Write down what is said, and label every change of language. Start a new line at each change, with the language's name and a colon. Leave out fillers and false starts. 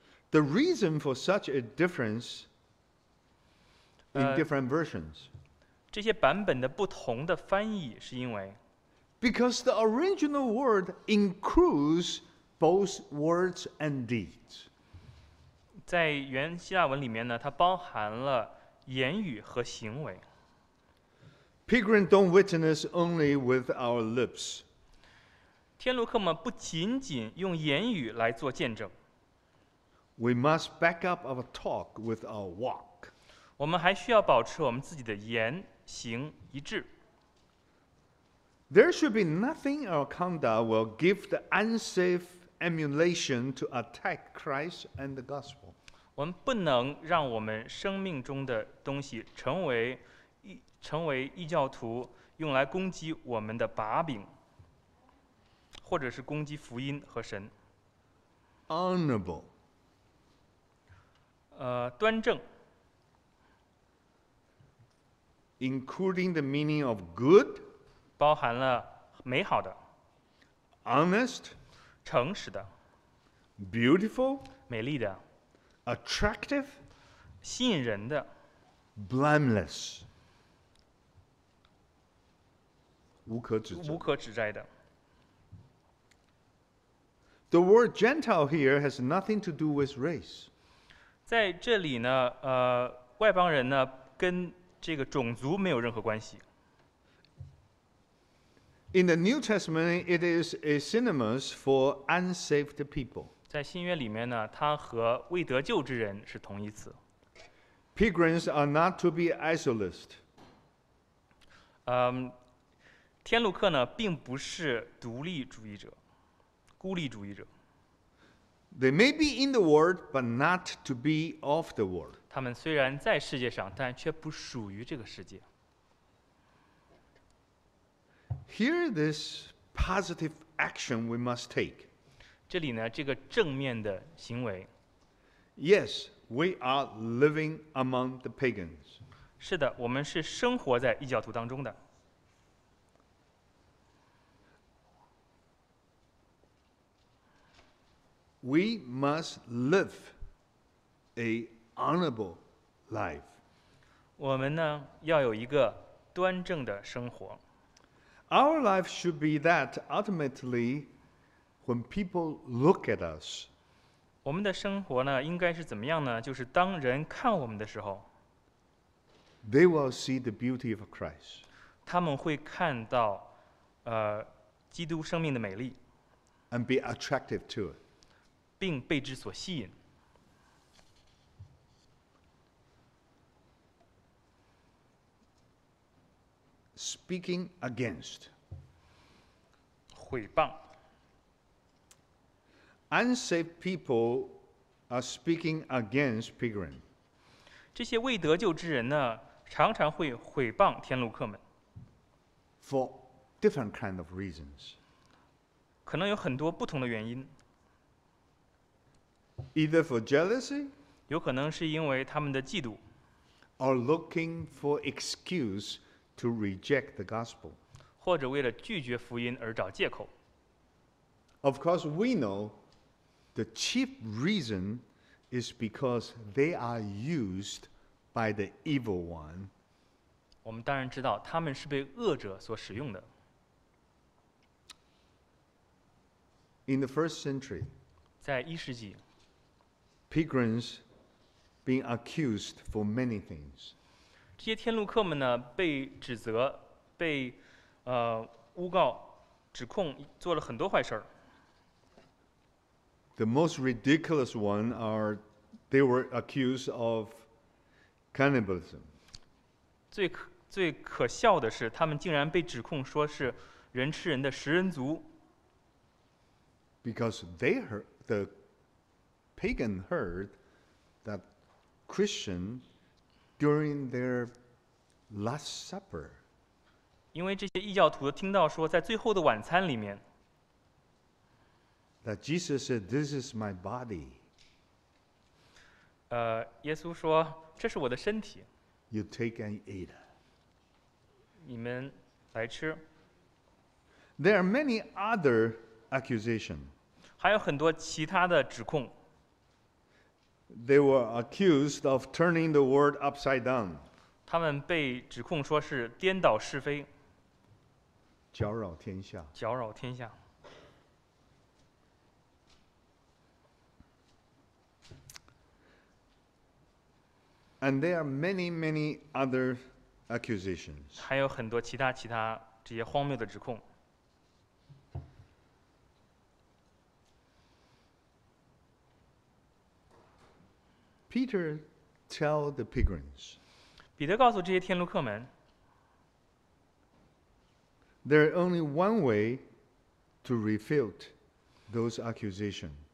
English: The reason for such a difference in different versions.
Chinese: 这些版本的不同的翻译是因为
English: Because the original word includes both words and deeds.
Chinese: 在原希腊文里面呢，它包含了言语和行为。
English: Pilgrims don't witness only with our lips.
Chinese: 天路客们不仅仅用言语来做见证。
English: We must back up our talk with our walk.
Chinese: 我们还需要保持我们自己的言行一致。
English: There should be nothing in our conduct will give the unsafe emulation to attack Christ and the gospel.
Chinese: 我们不能让我们生命中的东西成为异教徒用来攻击我们的把柄，或者是攻击福音和神。
English: Honorable.
Chinese: 端正。
English: Including the meaning of good.
Chinese: 包含了美好的。
English: Honest.
Chinese: 诚实的。
English: Beautiful.
Chinese: 美丽的。
English: Attractive.
Chinese: 吸引人的。
English: Blameless.
Chinese: 无可指摘。无可指摘的。
English: The word Gentile here has nothing to do with race.
Chinese: 在这里呢，外邦人呢，跟这个种族没有任何关系。
English: In the New Testament, it is a synonymous for unsaved people.
Chinese: 在新约里面呢，它和未得救之人是同义词。
English: Pilgrims are not to be isolated.
Chinese: 天路客呢，并不是独立主义者。孤立主义者。
English: They may be in the world, but not to be of the world.
Chinese: 他们虽然在世界上，但却不属于这个世界。
English: Here is this positive action we must take.
Chinese: 这里呢，这个正面的行为。
English: Yes, we are living among the pagans.
Chinese: 是的，我们是生活在异教徒当中的。
English: We must live a honorable life.
Chinese: 我们呢要有一个端正的生活。
English: Our life should be that ultimately, when people look at us.
Chinese: 我们的生活呢应该是怎么样呢？就是当人看我们的时候
English: ，They will see the beauty of Christ.
Chinese: 他们会看到，基督生命的美丽。
English: And be attractive to it.
Chinese: 并被之所吸引。
English: Speaking against.
Chinese: 毁谤。
English: Unsaved people are speaking against pilgrim.
Chinese: 这些未得救之人呢，常常会毁谤天路客们。
English: For different kind of reasons.
Chinese: 可能有很多不同的原因。
English: Either for jealousy,
Chinese: 有可能是因为他们的嫉妒
English: or looking for excuse to reject the gospel,
Chinese: 或者为了拒绝福音而找借口。
English: Of course, we know the chief reason is because they are used by the evil one.
Chinese: 我们当然知道他们是被恶者所使用的。
English: In the first century,
Chinese: 在一世纪。
English: Pilgrims being accused for many things.
Chinese: 这些天路客们呢，被指责，被诬告，指控做了很多坏事。
English: The most ridiculous one are they were accused of cannibalism.
Chinese: 最可笑的是，他们竟然被指控说是人吃人的食人族。
English: Because they heard the Pagan heard that Christian during their Last Supper.
Chinese: 因为这些异教徒听到说，在最后的晚餐里面
English: ，that Jesus said, "This is my body."
Chinese: 耶稣说，这是我的身体。
English: You take and eat.
Chinese: 你们来吃。
English: There are many other accusations.
Chinese: 还有很多其他的指控。
English: They were accused of turning the world upside down.
Chinese: 他们被指控说是颠倒是非。搅扰天下。搅扰天下。
English: And there are many, many other accusations.
Chinese: 还有很多其他这些荒谬的指控。
English: Peter tell the pilgrims.
Chinese: 彼得告诉这些天路客们
English: ，There is only one way to refute those accusations。